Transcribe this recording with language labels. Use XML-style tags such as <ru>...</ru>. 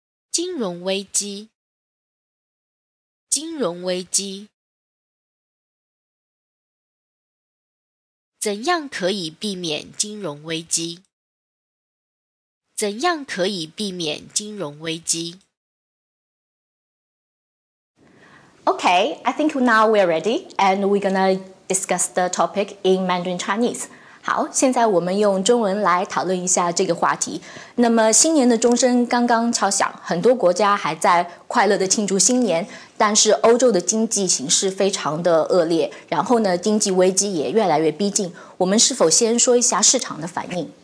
<zh>金融危机，金融危机。怎样可以避免金融危机？怎样可以避免金融危机？</zh> <en>Okay, I think now we're ready, and we're gonna discuss the topic in Mandarin Chinese.</en> <zh>好，现在我们用中文来讨论一下这个话题。那么新年的钟声刚刚敲响，很多国家还在快乐地庆祝新年，但是欧洲的经济形势非常的恶劣，然后呢，经济危机也越来越逼近。我们是否先说一下市场的反应？</zh>